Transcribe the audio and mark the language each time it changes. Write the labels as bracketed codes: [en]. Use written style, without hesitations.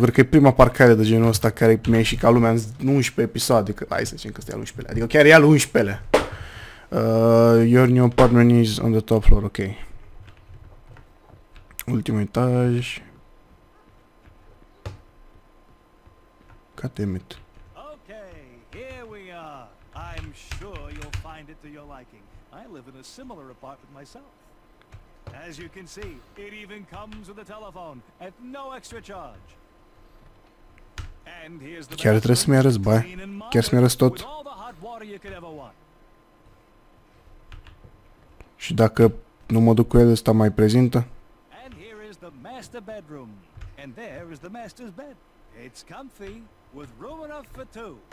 [ro] Cred că e prima parcare de genul ăsta care mi-a ieșit ca lumea în 11 episoade. Hai să zicem că ăsta e al 11-lea. Adică chiar e al 11-lea. [en] Your new apartment is on the top floor. Ok. [ro] Ultimul etaj. [en] Goddammit. Okay, here we are. I'm sure you'll find it to your liking. I live in a similar apartment myself. As you can see, it even comes with a telephone at no extra charge. And here's the [ro] chiar trebuie să mi arăți, băi. Chiar să mi arăți tot. [en] All the hot water you could ever want. [ro] Și dacă nu mă duc cu el, ăsta mai prezintă. [en] And here is the master bedroom. And there is the master's bed. It's comfy. With room enough for two.